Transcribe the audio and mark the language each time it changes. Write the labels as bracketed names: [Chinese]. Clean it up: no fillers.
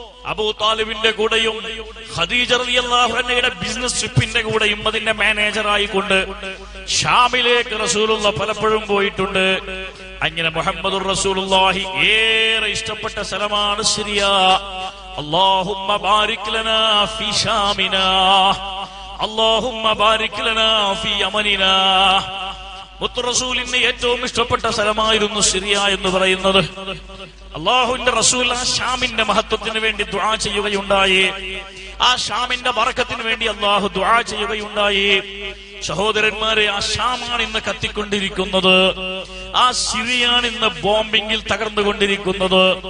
[Malayalam] അബൂ താലിബിന്റെ കൂടെയും ഖദീജ റളിയല്ലാഹു അൻഹയുടെ ബിസിനസ് ട്രിപ്പിന്റെ കൂടെയും അതിന്റെ മാനേജറായി കൊണ്ട് ഷാമിലേക്ക് റസൂലുള്ള പലപ്പോഴും പോയിട്ടുണ്ട്. അങ്ങനെ മുഹമ്മദുർ റസൂലുള്ളാഹി ഏറെ ഇഷ്ടപ്പെട്ട സ്ഥലമാണ് സിറിയ. [Arabic] اللهم بارك لنا في شامنا اللهم بارك لنا في يمننا [Malayalam] മുത്തു റസൂലിന്റെ ഏറ്റവും ഇഷ്ടപ്പെട്ട സ്ഥലമായിരുന്നു സിറിയ എന്ന് പറയുന്നത്. അല്ലാഹുവിന്റെ റസൂൽ ആ ഷാമിന്റെ മഹത്വത്തിന് വേണ്ടി ദുആ ചെയ്യുകയുണ്ടായി. ആ ഷാമിന്റെ ബർക്കത്തിന് വേണ്ടി അല്ലാഹു ദുആ ചെയ്യുകയുണ്ടായി. സഹോദരന്മാരെ, ആ ഷാമാണ് ഇന്ന് കത്തിക്കൊണ്ടിരിക്കുന്നത്. ആ സിറിയാണ് ഇന്ന് ബോംബിംഗിൽ തകർന്നുകൊണ്ടിരിക്കുന്നത്.